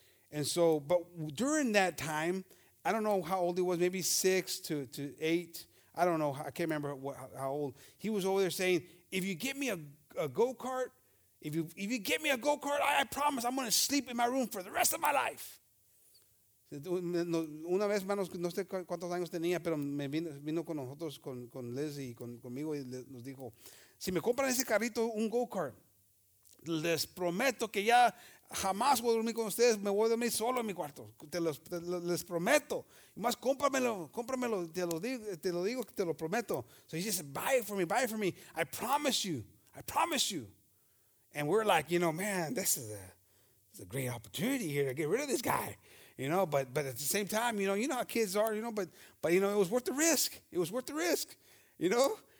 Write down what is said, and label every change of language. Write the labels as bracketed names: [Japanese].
[English] And so, but during that time, I don't know how old he was, maybe 6 to 8. I don't know. I can't remember how old. He was over there saying, if you get me a go-kart, if you get me a go-kart, I promise I'm going to sleep in my room for the rest of my life. [Spanish] Una vez, hermanos, no sé cuántos años tenía, pero me vino con nosotros, con Liz y conmigo, y nos dijo, si me compran ese carrito, un go-kart, les prometo que ya jamás voy a dormir con ustedes, me voy a dormir solo en mi cuarto. Les prometo. Más cómpramelo, te lo digo, te lo prometo. [English] So he says, buy it for me. I promise you. And we're like, you know, man, this is a a great opportunity here to get rid of this guy, you know. But at the same time, you know how kids are, you know. But you know, it was worth the risk. It was worth the risk, you know.